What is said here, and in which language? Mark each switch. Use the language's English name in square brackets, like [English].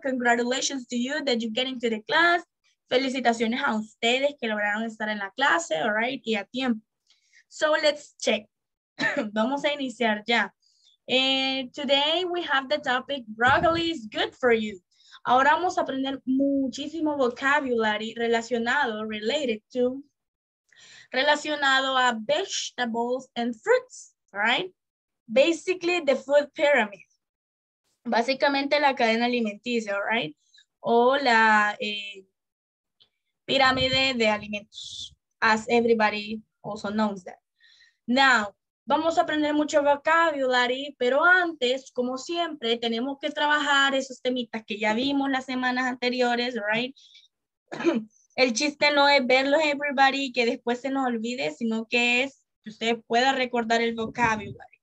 [English] Congratulations to you that you get into the class. [Spanish] Felicitaciones a ustedes que lograron estar en la clase. All right, y a tiempo. [English] So let's check. [Spanish] Vamos a iniciar ya. [English] Today we have the topic, broccoli is good for you. [Spanish] Ahora vamos a aprender muchísimo vocabulary relacionado a vegetables and fruits, right? [English] Basically, the food pyramid. [Spanish] Básicamente, la cadena alimenticia, [English] right? [Spanish] O la pirámide de alimentos, [English] as everybody also knows that. [Spanish] Now, vamos a aprender mucho vocabulary, pero antes, como siempre, tenemos que trabajar esos temitas que ya vimos las semanas anteriores, right? El chiste no es verlos, everybody, que después se nos olvide, sino que es que usted pueda recordar el vocabulary.